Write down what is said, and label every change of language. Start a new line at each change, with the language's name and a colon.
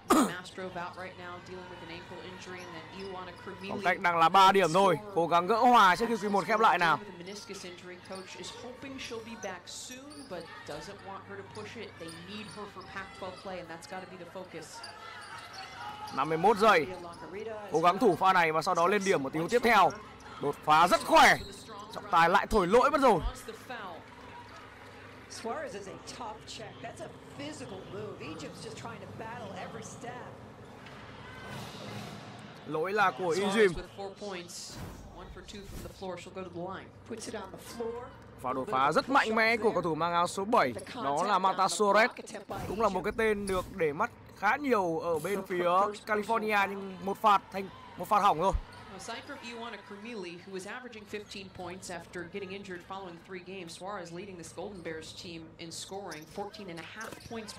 English: Mastrov out right now dealing with an ankle injury and then you want a Crimelian.
Vietnamese: Khoảng cách đang là 3 điểm thôi. Cố gắng gỡ hòa trước khi hiệp 1 khép lại nào.
English: Coach is hoping she'll be back soon but doesn't want her to push it. They need her for Pac-12 play and that's got to be the focus.
Vietnamese: 51 giây. Cố gắng thủ pha này và sau đó lên điểm ở tình huống tiếp theo. Đột phá rất khỏe. Trọng tài lại thổi lỗi mất rồi.
English: Suarez is a tough check. That's a physical move. Egypt's just trying to battle every step.
Vietnamese: Lỗi là của Egypt.
English: With 4 points, 1 for 2 from the floor, she'll go to the line. Puts it on the floor.
Vietnamese: Pha đột phá rất mạnh mẽ của cầu thủ mang áo số 7, đó là Mata Suarez. Cũng là một cái tên được để mắt khá nhiều ở bên phía California, nhưng một phạt hỏng rồi.
English: Aside from Ioana Crimili, who was averaging 15 points after getting injured following 3 games, Suarez leading this Golden Bears team in scoring 14.5 points.